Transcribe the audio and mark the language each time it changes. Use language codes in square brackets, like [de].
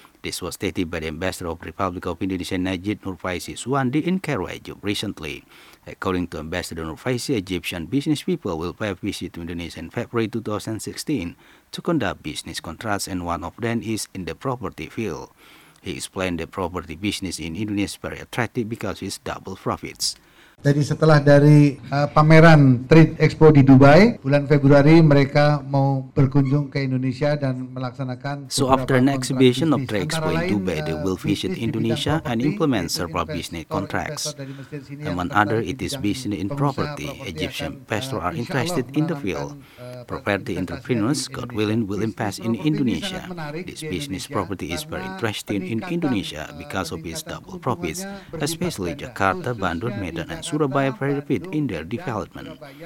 [en] This was stated by the Ambassador of the Republic of Indonesia, Najib Nurfaisi Suwandi, in Cairo, Egypt, recently. According to Ambassador Nurfaisi, Egyptian business people will pay a visit to Indonesia in February 2016 to conduct business contracts, and one of them is in the property field. He explained the property business in Indonesia is very attractive because it's double profits. [id] Jadi setelah dari pameran Trade Expo di Dubai, bulan Februari mereka mau berkunjung ke Indonesia dan melaksanakan. [en] So after an exhibition of Trade Expo in Dubai, they will visit Indonesia and implement several business contracts. Among other, it is business in property. Egyptian investors are interested in the field. Property entrepreneurs, God willing, will invest in Indonesia. This business property is very interesting in Indonesia because of its double profits, especially Jakarta, Bandung, Medan, and Surabaya very rapid in their development.